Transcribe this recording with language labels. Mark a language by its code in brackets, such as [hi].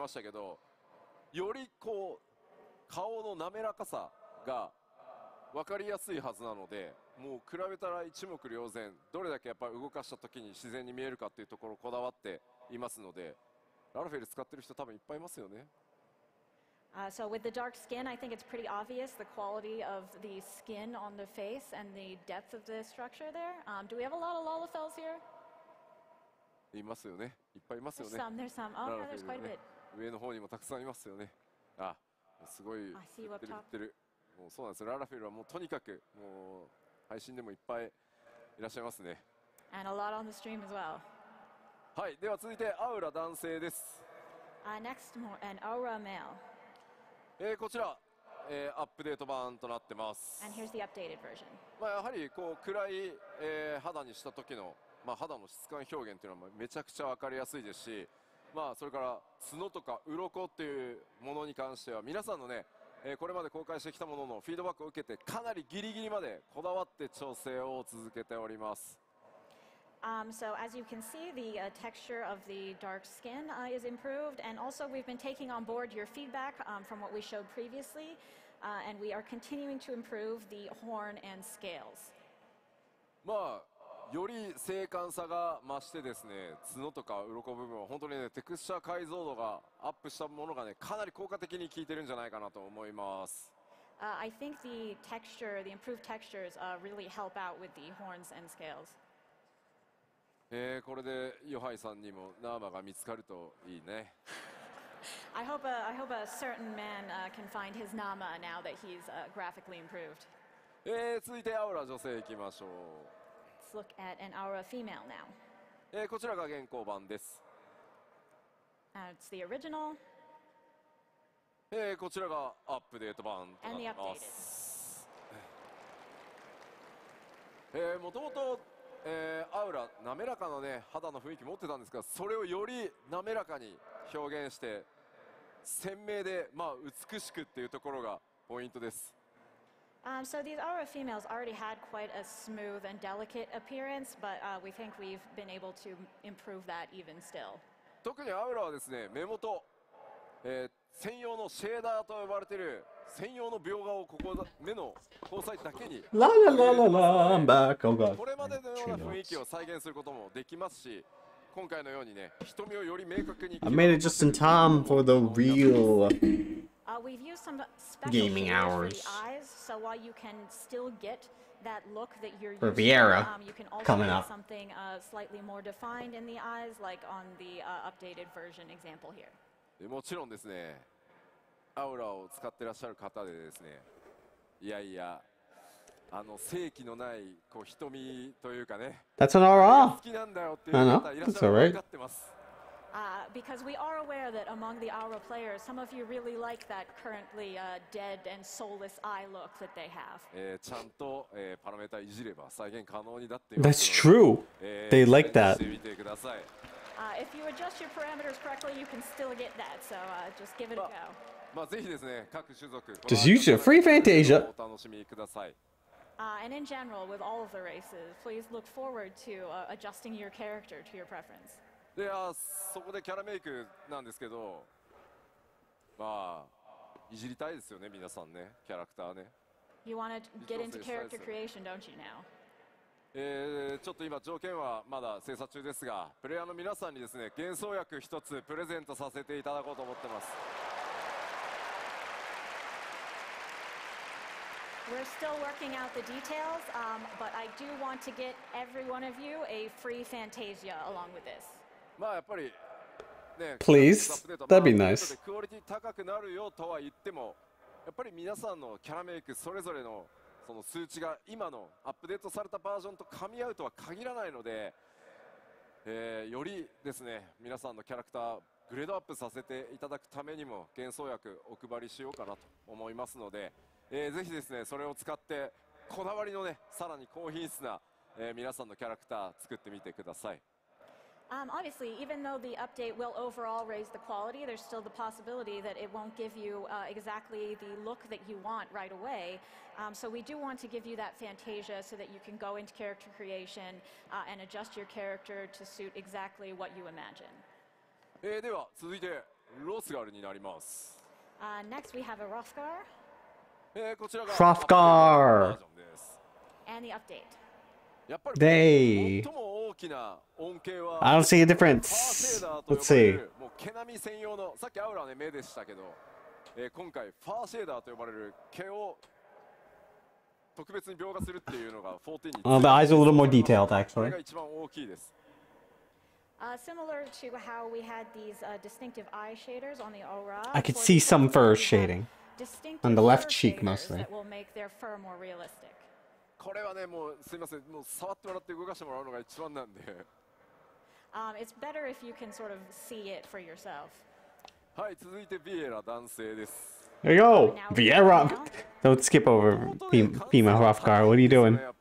[ja] まあ特に今回ね、サンプルとして褐色の肌にしてきましたけど、よりこう 顔の滑らかさが分かりやすいはずなので、もう比べたら一目瞭然、どれだけやっぱ動かした時に自然に見えるかっていうところをこだわっていますので、ラルフェル使ってる人多分いっぱいいますよね。 [en] So with the dark skin, I think it's pretty obvious the quality of the skin on the face and the depth of the structure there. Do we have a lot of Lalafells here? [ja] いますよね、いっぱいいますよね。 [en] There's some. Oh, yeah, there's quite a bit. [ja] 上の方にもたくさんいますよね。すごい言ってる。もうそうなんです。ララフェルはもうとにかくもう配信でもいっぱいいらっしゃいますね。 [en] And a lot on the stream as well. [ja] はい、では続いてアウラ男性です。 [en] Next, an aura male. [ja] こちら、アップデート版となってます。 [en] And here's the updated version. [ja] まあ、やはりこう暗い、肌にした時の、まあ、肌の質感表現というのはめちゃくちゃ分かりやすいですし、まあ、それから角とか鱗っていうものに関しては皆さんのね、これまで公開してきたもののフィードバックを受けてかなりギリギリまでこだわって調整を続けております。 [en] So as you can see, the texture of the dark skin is improved, and also we've been taking on board your feedback from what we showed previously, and we are continuing to improve the horn and scales. [ja] まあ、より精悍さが増してですね、角とか鱗部分は本当にね、テクスチャー解像度がアップしたものがね、かなり効果的に効いてるんじゃないかなと思います。 [en] I think the texture, the improved textures, really help out with the horns and scales. [ja] これでヨハイさんにもナーマが見つかるといいね。 [en] I hope a certain man can find his Nama now that he's graphically improved. [ja] 続いてアウラ女性いきましょう。 [en] Let's look at an aura female now. [ja] こちらが現行版です。 [en] It's the original. [ja] こちらがアップデート版となってます。もともとアウラ滑らかな、ね、肌の雰囲気持ってたんですが、それをより滑らかに表現して鮮明で、まあ、美しくっていうところがポイントです。 [en] So these Aura females already had quite a smooth and delicate appearance, but we think we've been able to improve that even still. [ja] 特にアウラはですね、目元、専用のシェーダーと呼ばれている専用の描画をここ目の交際だけに。 [en] ラララララ、I'm back, I'm back. [ja] これまでのような雰囲気を再現することもできますし、今回のようにね、瞳をより明確に。 [en] I made it just in time for the real we've used some special gaming hours. Eyes, so while you can still get that look that you're for Viera, you can also coming up something slightly more defined in the eyes, like on the updated version example here. [ja] もちろんですね、アウラを使ってらっしゃる方でですね、いやいや、あの正気のないこう瞳というかね、 [en] That's an aura. [ja] 好きなんだよっていう方いらっしゃるのを分かってます。 [en] Because we are aware that among the aura players, some of you really like that currently dead and soulless eye look that they have. [ja] ちゃんと、パラメータいじれば再現可能になって。 [en] That's true. They like that. [ja] してみてください。 [en] If you adjust your parameters correctly, you can still get that. So just give it a go. [ja] まあぜひですね、各種族。 [en] Just use your free Fantasia. [ja] お楽しみください。 [en] And in general, with all of the races, please look forward to adjusting your character to your preference. [ja] で、そこでキャラメイクなんですけど、まあいじりたいですよね、皆さんね、キャラクターね。 [en] You want to get into character creation, don't you now? [ja] ちょっと今条件はまだ精査中ですが、プレイヤーの皆さんにですね、幻想薬一つプレゼントさせていただこうと思ってます。 [en] We're still working out the details, but I do want to get every one of you a free Fantasia along with this. [ja] まあやっぱりね、 [en] Please, that'd be nice. [ja] クオリティ高くなるよとは言っても、やっぱり皆さんのキャラメイクそれぞれのその数値が今のアップデートされたバージョンと噛み合うとは限らないので、よりですね、皆さんのキャラクターグレードアップさせていただくためにも幻想薬お配りしようかなと思いますので、ぜひですね、それを使ってこだわりのね、さらに高品質な、皆さんのキャラクター作ってみてください。 [en] Obviously, even though the update will overall raise the quality, there's still the possibility that it won't give you exactly the look that you want right away. So we do want to give you that Fantasia so that you can go into character creation and adjust your character to suit exactly what you imagine. [ja] では続いてロスガルになります。 [en] Next we have a Hrothgal. [ja] こちらが [en] Hrothgal and the update. [ja] やっぱり最も大きな恩恵は、 [en] I don't see a difference. Let's see. [ja] もう毛並み専用の、さっきアウラね目でしたけど、今回ファーシェーダーと呼ばれる毛を特別に描画するっていうのが14に。 [en] The eyes are a little more detailed, actually. [ja] が一番大きいです。 [en] Similar to how we had these distinctive eye shaders on the aura. I could see some fur shading on the left cheek mostly. That will make their fur more realistic. [ja] これはね、もうすいません、もう触ってもらって動かしてもらうのが一番なんで。 [en] It's better if you can sort of see it for yourself. [ja] はい、続いてビエラ男性です。 [en] There you go! Vieira! Don't skip over Pima Hrothgar, what are you doing?